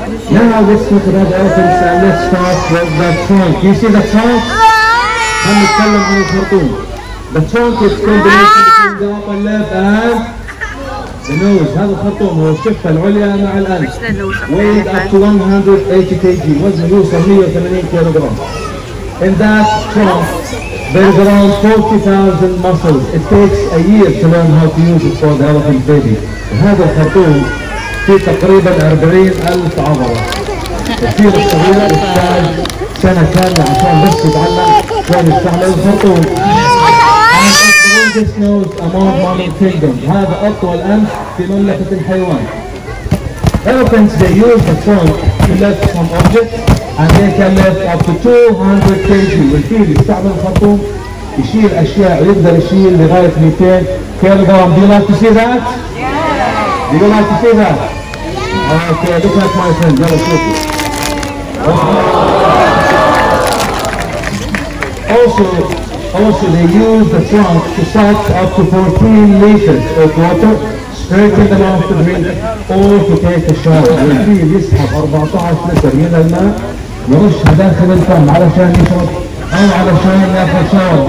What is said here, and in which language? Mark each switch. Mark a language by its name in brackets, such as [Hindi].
[English] Now let's look at the elephants and let's start with the trunk. You see the trunk? [Arabic] هنتكلم عن الخرطوم. [English] The trunk is combination between the upper lip and the nose. [Arabic] هذا الخرطوم هو الشفة العليا مع الأنف. [English] Weighed up to 180 kg. [Arabic] وزنه يوصل 180 كيلوغرام. [English] In that trunk, there is around 40,000 muscles. It takes a year to learn how to use it for the elephant baby. [Arabic] هذا الخرطوم فيه تقريبا 40,000 عضلة. كثير الصغير يحتاج سنة كاملة عشان بس يتعلم شلون يستعمل الخرطوم. [English] This nose among mammal kingdom. [Arabic] هذا أطول أنف في مملكة الحيوان. [English] Elephants, they use the trunk to lift some objects and they can lift up to 200 kg. [Arabic] والفيل يستعمل الخرطوم يشيل أشياء ويقدر يشيل لغاية 200 كيلوغرام. [English] Do you like to see that? Do you like to see that? Okay, look at my friend. Yellow turkey. Also, they use the trunk to suck up to 14 liters of water straight in the mouth to drink or to take a shower. [Arabic] والفيل يسحب 14 لتر من الماء يرشها داخل الفم علشان يشرب أو علشان ياخذ شاور.